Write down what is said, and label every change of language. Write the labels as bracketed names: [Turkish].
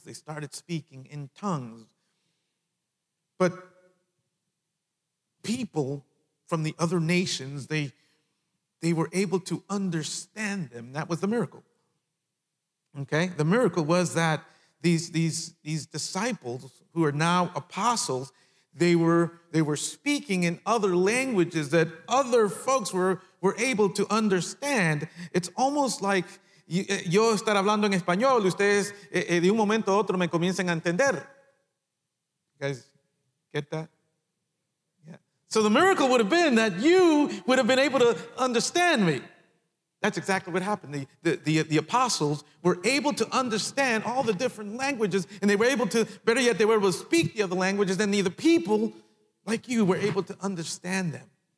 [English] They started speaking in tongues. But people from the other nations, they were able to understand them. That was the miracle. Okay? The miracle was that these disciples who are now apostles, they were speaking in other languages that other folks were able to understand. It's almost like [Spanish] yo estar hablando en español, ustedes de un momento a otro me comienzan a entender. [English] You guys get that? Yeah. So the miracle would have been that you would have been able to understand me. That's exactly what happened. The apostles were able to understand all the different languages, and they were able to, better yet, they were able to speak the other languages, and the other people, like you, were able to understand them.